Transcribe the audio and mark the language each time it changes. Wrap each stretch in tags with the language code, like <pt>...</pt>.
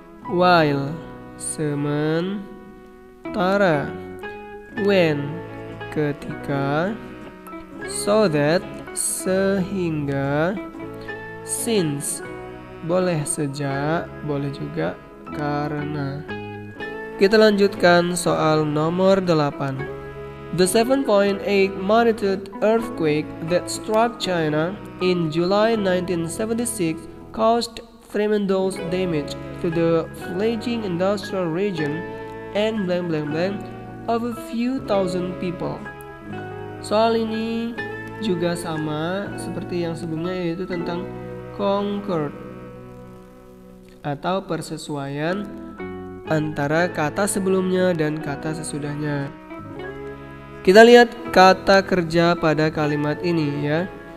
<id>While sementara, when ketika, so that sehingga, since boleh sejak, boleh juga karena. Kita lanjutkan soal nomor 8.</id> <en>The 7.8 magnitude earthquake that struck China in July 1976 caused tremendous damage to the fledgling industrial region and of a few thousand people.</en> <id>Soal ini juga sama seperti yang sebelumnya, yaitu tentang Concord atau persesuaian antara kata sebelumnya dan kata sesudahnya. Kita lihat kata kerja pada kalimat ini ya.</id>